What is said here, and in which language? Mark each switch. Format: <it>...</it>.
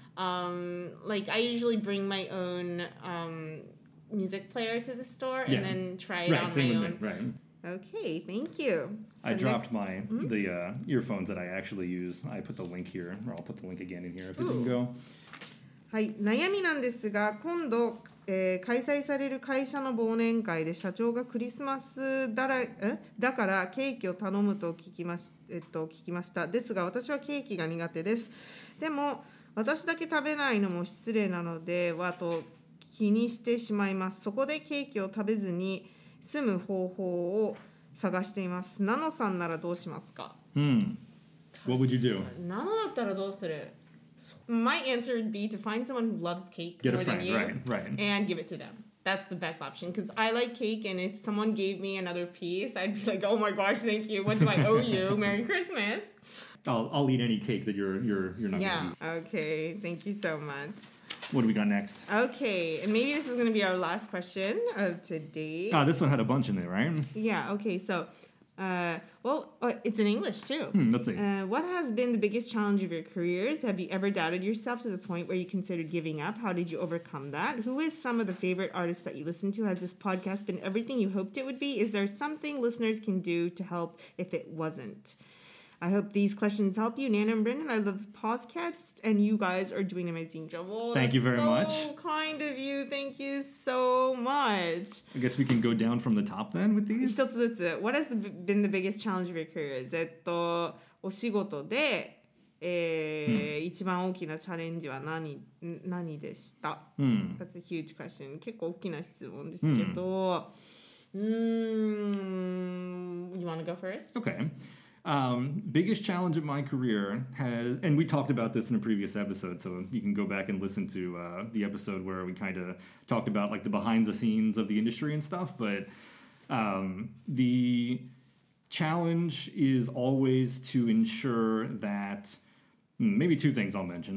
<en>Like I usually bring my own music player to the store and then try it on my own. Okay, thank you. So I dropped my the earphones that I actually use. I put the link here, or I'll put the link again in here if it didn't go.</en> <ja>はい、悩みなんですが、今度、開催される会社の忘年会で社長がクリスマスだからケーキを頼むと聞きました。ですが、私はケーキが苦手です。でも、私だけ食べないのも失礼なのではと気にしてしまいます。そこでケーキを食べずに済む方法を探しています。ナノさんならどうしますか?</ja> <en>What would you do?</en> <ja>ナノだったらどうする?</ja> <en>My answer would be to find someone who loves cake more than you. And give it to them. That's the best option. Because I like cake, and if someone gave me another piece, I'd be like, oh my gosh, thank you. What do I owe you? Merry Christmas. I'll eat any cake that you're not going to eat. Okay, thank you so much. What do we got next? Okay, and maybe this is going to be our last question of today. Ah, this one had a bunch in there, right? Yeah, okay, so, it's in English, too. Let's see. What has been the biggest challenge of your careers? Have you ever doubted yourself to the point where you considered giving up? How did you overcome that? Who is some of the favorite artists that you listen to? Has this podcast been everything you hoped it would be? Is there something listeners can do to help if it wasn't? I hope these questions help you, Nana and Brendan. I love the podcast, and you guys are doing an amazing job. Thank you very much. That's so kind of you. Thank you so much. I guess we can go down from the top then with these.</en> <ja>一つずつ。</ja> <en>What has been the biggest challenge of your career?</en> <ja>お仕事で、一番大きなチャレンジは 何でした?</ja> <en>That's a huge question.</en> <ja>結構大きな質問ですけど。</ja> <en>You want to go first? Okay. Biggest challenge of my career has, and we talked about this in a previous episode, so you can go back and listen to the episode where we kind of talked about like the behind the scenes of the industry and stuff, but the challenge is always to ensure that, maybe two things I'll mention.</en>